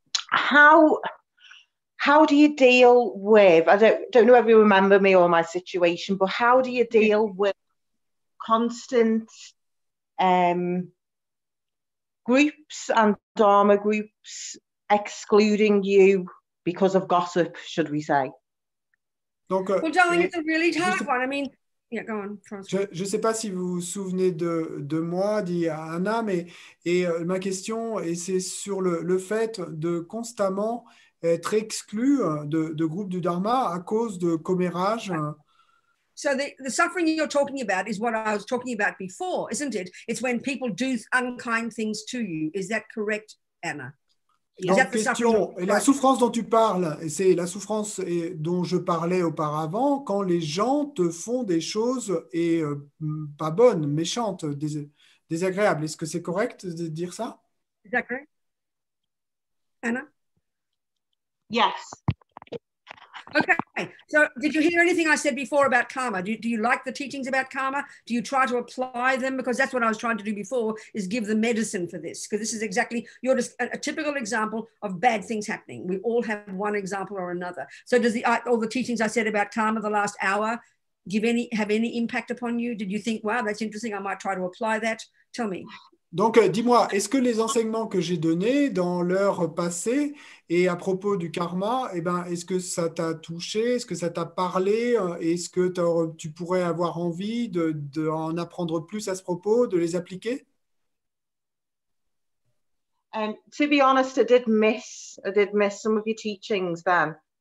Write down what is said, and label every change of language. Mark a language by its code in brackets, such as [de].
[en] How do you deal with, I don't know if you remember me or my situation, but how do you deal with constant groups and Dharma groups excluding you because of gossip, should we say? [fr] Donc, [en] well, darling, it's a really tough one. I mean, yeah, go on. [fr] Je ne sais pas si vous vous souvenez de moi, dit Anna, mais ma question, et c'est sur le fait de constamment être exclu de groupe du Dharma à cause de commérages. [en] So the suffering you're talking about is what I was talking about before, isn't it? It's when people do unkind things to you. Is that correct, Anna? [fr] Donc, question, et la souffrance dont tu parles, et c'est la souffrance dont je parlais auparavant, quand les gens te font des choses et pas bonnes, méchantes, désagréables. Est-ce que c'est correct de dire ça? Anna? [en] Yes. Okay. So, did you hear anything I said before about karma? Do you like the teachings about karma? Do you try to apply them? Because that's what I was trying to do before, is give the medicine for this. Because this is exactly, you're just a typical example of bad things happening. We all have one example or another. So, does all the teachings I said about karma the last hour have any impact upon you? Did you think, wow, that's interesting, I might try to apply that? Tell me. [fr] Donc, dis-moi, est-ce que les enseignements que j'ai donnés dans l'heure passée et à propos du karma, eh ben, est-ce que ça t'a touché? Est-ce que ça t'a parlé? Est-ce que tu pourrais avoir envie d'en apprendre plus à ce propos, de les appliquer? [en] To be honest, I did miss some of your teachings then.